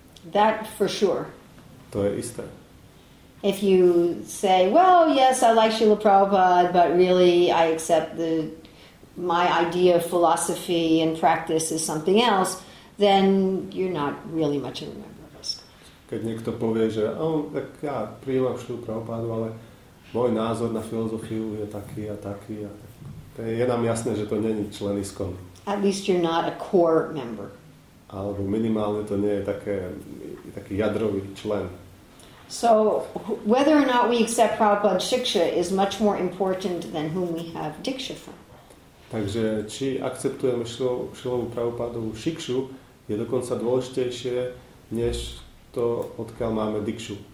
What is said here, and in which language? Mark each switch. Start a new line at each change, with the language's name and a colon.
English: That for sure.
Slovak: To je isté.
English: If you say, well, yes, I like Srila Prabhupada, but really I accept my idea of philosophy and practice is something else, then you're not really much of a member of ISKCON.
Slovak: Keď niekto povie, že tak ja prijímam Srilu Prabhupádu, ale môj názor na filozofiu je taký a taký. Je nám jasné, že to nie je člen ISKCON.
English: At least you're not a core member.
Slovak: Alebo minimálne to nie je taký jadrový člen.
English: So whether or not we accept Prabhupada's shiksha is much more important than whom we have diksha from.
Slovak: Takže či akceptujeme Šrilovu Prabhupádovu šikšu, je dokonca dôležitejšie, než to, odkiaľ máme dikšu.